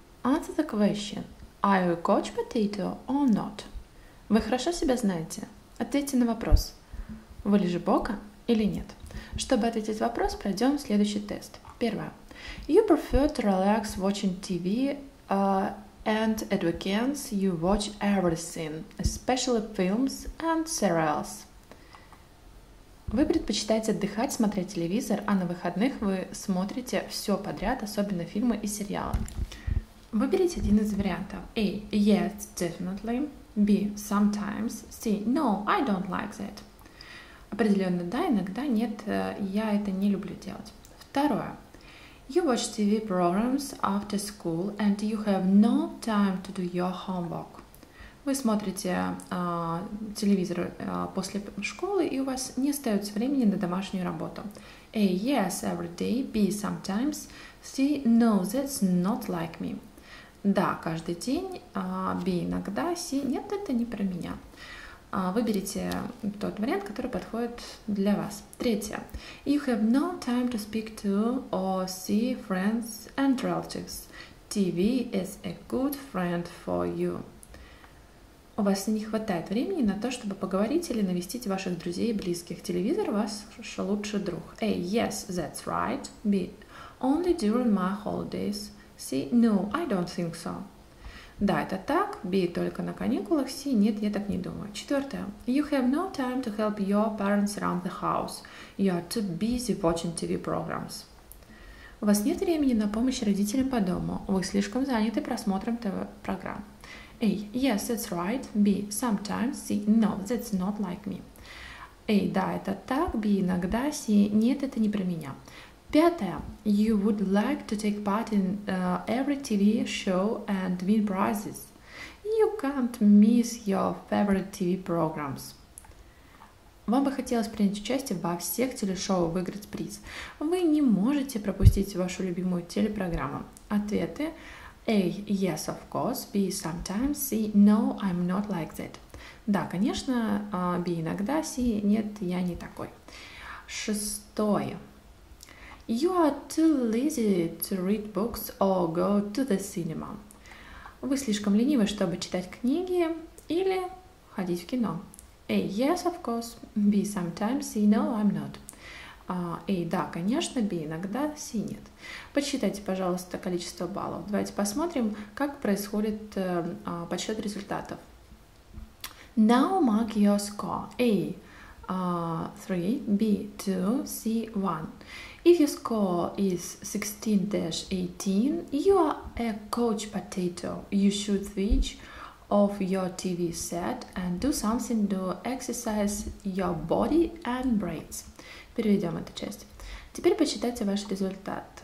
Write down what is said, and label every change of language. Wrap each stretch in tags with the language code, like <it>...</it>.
<en>Answer the question, are you a couch potato or not?</en> <ru>Вы хорошо себя знаете? Ответьте на вопрос, вы лежебока или нет? Чтобы ответить вопрос, пройдем следующий тест. Первое.</ru> <en>You prefer to relax watching TV, and at weekends you watch everything, especially films and serials.</en> <ru>Вы предпочитаете отдыхать, смотреть телевизор, а на выходных вы смотрите все подряд, особенно фильмы и сериалы. Выберите один из вариантов.</ru> <en>A. Yes, definitely. B. Sometimes. C. No, I don't like that.</en> <ru>Определенно да, иногда нет, я это не люблю делать. Второе.</ru> <en>You watch TV programs after school, and you have no time to do your homework.</en> <ru>Вы смотрите телевизор после школы, и у вас не остается времени на домашнюю работу.</ru> <en>A. Yes, every day. B. Sometimes. C. No, that's not like me.</en> <ru>Да, каждый день.</ru> <en>B.</en> <ru>Иногда.</ru> <en>C.</en> <ru>Нет, это не про меня. Выберите тот вариант, который подходит для вас. Третье.</ru> <en>You have no time to speak to or see friends and relatives. TV is a good friend for you.</en> <ru>У вас не хватает времени на то, чтобы поговорить или навестить ваших друзей и близких. Телевизор ваш лучший друг.</ru> <en>A. Yes, that's right. B. Only during my holidays. C. No, I don't think so.</en> <ru>Да, это так.</ru> <en>B.</en> <ru>Только на каникулах. C. Нет, я так не думаю. Четвертое.</ru> <en>You have no time to help your parents around the house. You are too busy watching TV programs.</en> <ru>У вас нет времени на помощь родителям по дому. Вы слишком заняты просмотром ТВ-программ.</ru> <en>A. Yes, that's right. B. Sometimes. C. No, that's not like me. A.</en> <ru>Да, это так.</ru> <en>B.</en> <ru>Иногда.</ru> <en>C.</en> <ru>Нет, это не про меня. Пятое.</ru> <en>You would like to take part in every TV show and win prizes. You can't miss your favorite TV programs.</en> <ru>Вам бы хотелось принять участие во всех телешоу и выиграть приз. Вы не можете пропустить вашу любимую телепрограмму. Ответы.</ru> <en>A. Yes, of course. B. Sometimes. C. No, I'm not like that.</en> <ru>Да, конечно.</ru> <en>B.</en> <ru>Иногда.</ru> <en>C.</en> <ru>Нет, я не такой. Шестое.</ru> <en>You are too lazy to read books or go to the cinema.</en> <ru>Вы слишком ленивы, чтобы читать книги или ходить в кино.</ru> <en>A. Yes, of course. B. Sometimes. C. No, I'm not. A.</en> <ru>Да, конечно. B. Иногда. C. Нет. Подсчитайте, пожалуйста, количество баллов. Давайте посмотрим, как происходит подсчет результатов.</ru> <en>Now mark your score. A. 3, B, 2, C, 1. If your score is 16-18, you are a couch potato. You should switch off your TV set and do something to exercise your body and brains.</en> <ru>Переведем эту часть. Теперь почитайте ваш результат.</ru>